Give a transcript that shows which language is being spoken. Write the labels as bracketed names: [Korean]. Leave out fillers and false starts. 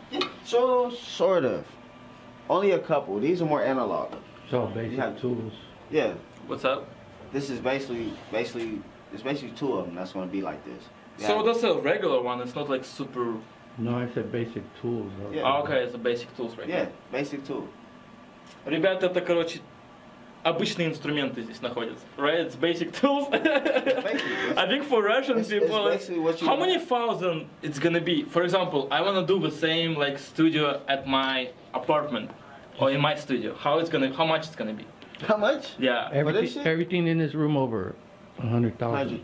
[English] Yeah. So sort of. Only a couple. These are more analog. So basic tools. Yeah. What's up? This is basically two of them that's gonna be like this. Yeah. So that's a regular one, it's not like super. No, I said basic tools. Yeah. Oh, okay, it's a basic tools right Yeah, there. Basic tool. [Russian] Ребята, это, короче, обычные инструменты здесь находятся. [English] Right? It's basic tools. I think for Russian people, how many thousand it's gonna be? For example, I wanna do the same like studio at my apartment or in my studio. How much it's gonna be? How much? Yeah. Everything in this room over 100,000.